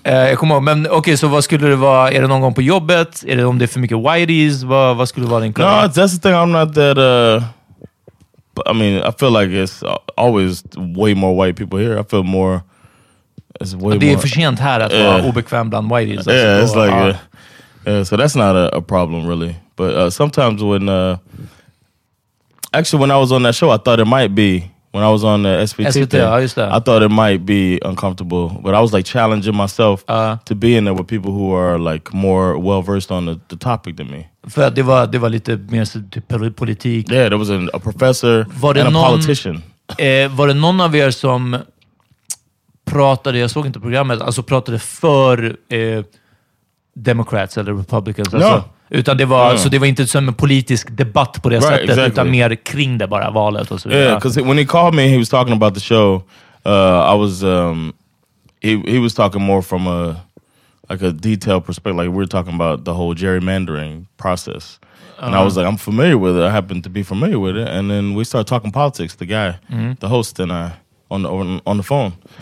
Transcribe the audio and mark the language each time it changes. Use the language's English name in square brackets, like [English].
[Swedish] Jag kommer ihåg, men okej, så vad skulle det vara? Är det någon gång på jobbet? Är det om det är för mycket whiteys? Vad skulle vara din [English] kund? No, that's the thing, I'm not that... I mean, I feel like it's always way more white people here. I feel more... [Swedish] Det är för sent här att vara obekväm bland whiteys. Alltså. [English] Yeah, it's like so that's not a problem really. But sometimes when actually when I was on that show, I thought it might be when I was on the SVT. SVT thing, I used to. I thought it might be uncomfortable, but I was like challenging myself to be in there with people who are like more well versed on the topic than me. [Swedish] För att det var lite mer typ politik. [English] Yeah, there was a professor and a politician. [Swedish] Var det någon av er som pratade, jag såg inte programmet, alltså pratade för Democrats eller Republicans, alltså. Utan det var så det var inte som en politisk debatt på det [English] right, [Swedish] sättet [English] exactly. [Swedish] Utan mer kring det bara, valet och så vidare. [English] Yeah, because when he called me, he was talking about the show. I was he was talking more from a like a detailed perspective, like we're talking about the whole gerrymandering process. And I was like, I'm familiar with it. I happen to be familiar with it. And then we started talking politics, the guy, the host and I on the phone.